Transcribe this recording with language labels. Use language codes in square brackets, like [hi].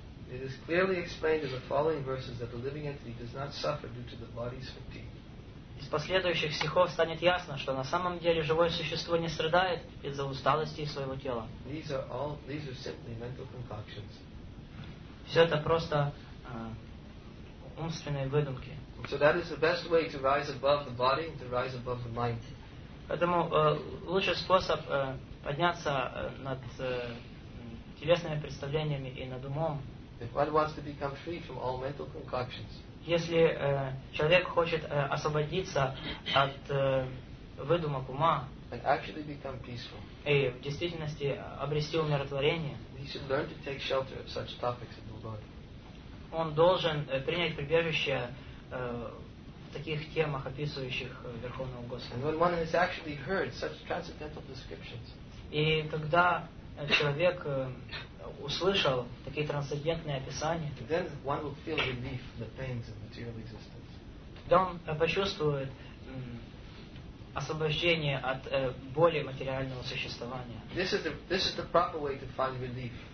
[en] It is clearly explained in the following verses that the living entity does not suffer due to the body's fatigue. [ru] Из последующих стихов станет ясно, что на самом деле живое существо не страдает из-за усталости своего тела. [en] These are simply mental concoctions. [ru] Все это просто умственные выдумки. [en] So that is the best way to rise above the body and to rise above the mind. [ru] Поэтому лучший способ подняться над телесными представлениями и над умом. [en] If one wants to become free from all mental concoctions. [ru] Если человек хочет освободиться от выдумок ума, [en] and actually become peaceful. [ru] И в действительности обрести умиротворение. [en] He should learn to take shelter of such topics in the Lord. [ru] Он должен принять прибежище в таких темах, описывающих Верховного Господа. [en] And when one has actually heard such transcendental descriptions. [ru] И когда человек услышал такие трансцендентные описания, [en] then one will feel relief from the pains of material existence. [ru] Тогда он почувствует освобождение от боли материального существования. [en] This is the proper way to find relief.